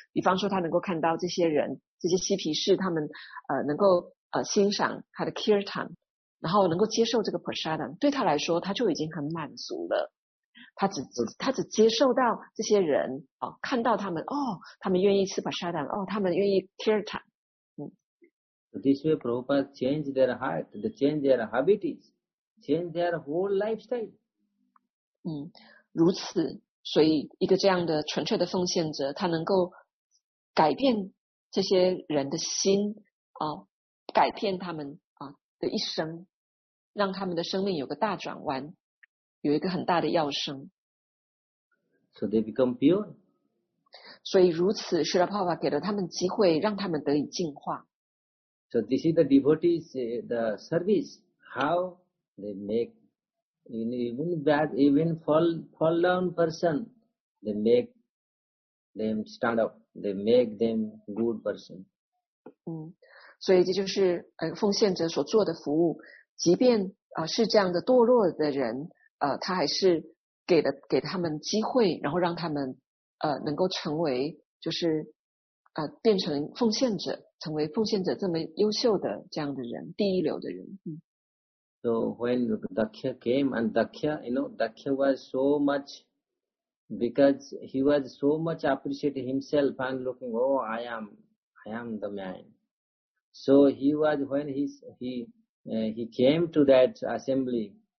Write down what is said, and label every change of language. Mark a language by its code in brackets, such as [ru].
[zh] 比方说他能够看到这些人，这些嬉皮士，他们能够欣赏他的 Kirtan，然后能够接受这个 prasadam， 对他来说他就已经很满足了。他只接受到这些人看到他们他们愿意吃 prasadam， 他们愿意 kirtan。 [en] This way Prabhupada changed their heart, they changed their habits, changed their whole lifestyle. [zh] 如此，所以一个这样的纯粹的奉献者，他能够改变这些人的心改变他们的一生，让他们的生命有个大转弯，有一个很大的跃升。 [en] So they become pure. [zh] 所以如此，释迦牟尼佛给了他们机会，让他们得以净化。 [en] So this is the devotees, the service, how they make, even bad, even fall down person, they make them stand up, they make them good person. [zh] 嗯，所以这就是奉献者所做的服务，即便是这样的堕落的人，他还是给他们机会，然后让他们能够成为，就是变成奉献者，成为奉献者这么优秀的这样的人，第一流的人。嗯、 [en] so when Dakya came and Dakya, you know, Dakya was so much because he was so much appreciating himself and looking, oh, I am the man. So he was when he came to that assembly.